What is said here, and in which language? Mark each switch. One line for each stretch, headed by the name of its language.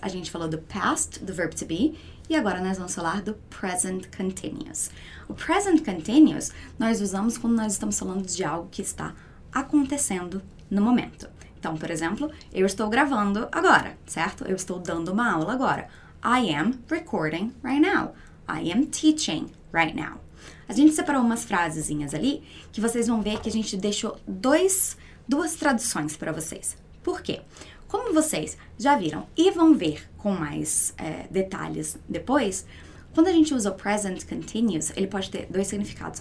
Portuguese: A gente falou do past, do verb to be, e agora nós vamos falar do present continuous. O present continuous nós usamos quando nós estamos falando de algo que está acontecendo no momento. Então, por exemplo, eu estou gravando agora, certo? Eu estou dando uma aula agora.
English: I am recording right now. I am teaching right now.
Portuguese: A gente separou umas frasezinhas ali que vocês vão ver que a gente deixou duas traduções para vocês. Por quê? Como vocês já viram e vão ver com mais detalhes depois, quando a gente usa o present continuous, ele pode ter dois significados.